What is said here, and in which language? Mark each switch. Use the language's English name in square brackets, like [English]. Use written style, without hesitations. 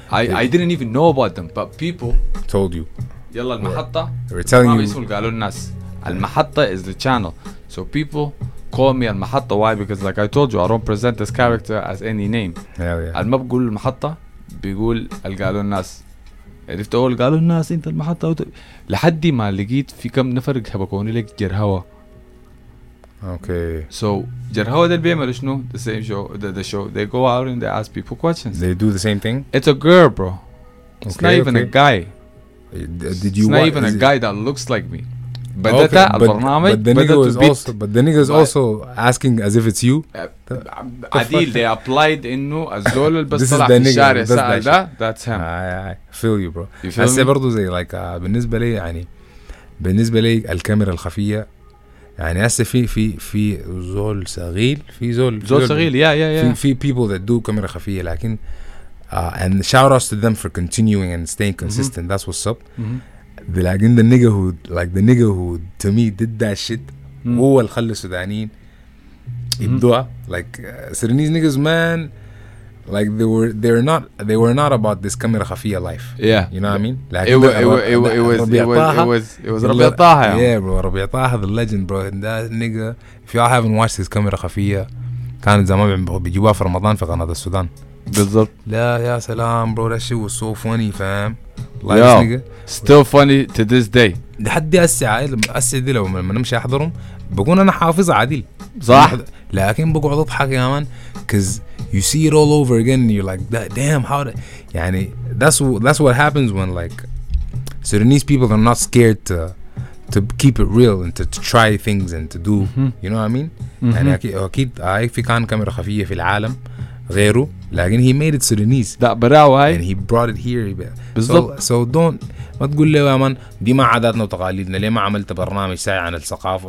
[English] I didn't even know about them, but people told you. [Arabic] يلا المحطة. [English] We're telling you. [Arabic] قالوا الناس المحطة [English] is the channel. So people call me المحطة. Why? Because like I told you, I don't present this character as any name. Hell yeah. [Arabic] الما بقول المحطة, بيقول قالوا الناس. عرفت أول قالوا الناس أنت المحطة. لحد ما لقيت في كم نفر حبكوني لك جرهوة. [English] Okay. So جرهوة [Arabic] ده بيعمل شنو؟ [English] The same show. The show. They go out and they ask people questions. They do the same thing. It's a girl, bro. It's okay, not even okay. A guy. Did you it's not wa- even a guy that looks like me. But okay, that but the nigga was also, but the nigga is also asking as if it's you. Adil, they applied into Azul al Basara. That's him. I feel you, bro. You feel me? [Arabic] برضو زي like بالنسبة لي يعني بالنسبة لي الكاميرا الخفية يعني هسه في زول صغير في زول صغير. [English] Yeah. [Arabic] في [English] people that do [Arabic] كاميرا خفية لكن. [English] And shout outs to them for continuing and staying consistent. Mm-hmm. That's what's up. Mm-hmm. But like in the nigga who, like the nigga who to me did that shit, [Arabic] هو اللي خلى السودانيين يبدوا. [English] Like Sudanese niggas, man, like they were not about this camera khafiya life. Yeah, you know what I mean. Like it was Rabia Taha. Yeah, bro, Rabia Taha the legend, bro. And that nigga, if y'all haven't watched his camera khafiya, [Arabic] كان زمان بيجيبوها في رمضان في قناة السودان. بالضبط. لا يا سلام برو, [English] that shit was so funny, fam. Yeah. Still funny to this day. [Arabic] لحد هسه عايل هسه دي لو ما نمشي احضرهم بكون انا حافظ عادل. صح. لكن بقعد اضحك يا مان. [English] Cause you see it all over again and you're like, damn, how. [Arabic] يعني [English] that's what happens when like Sudanese people are not scared to keep it real and to try things and to do. Mm-hmm. You know what I mean? [Arabic] يعني اكيد هاي في كان كاميرا خفيه في العالم. غيره لكن [English] he made it Sudanese. That [Arabic] براوي. [English] And he brought it here. [Arabic] بالضبط. [English] So don't [Arabic] ما تقول لي يا مان دي ما عاداتنا وتقاليدنا ليه ما عملت برنامج ساعي عن الثقافة.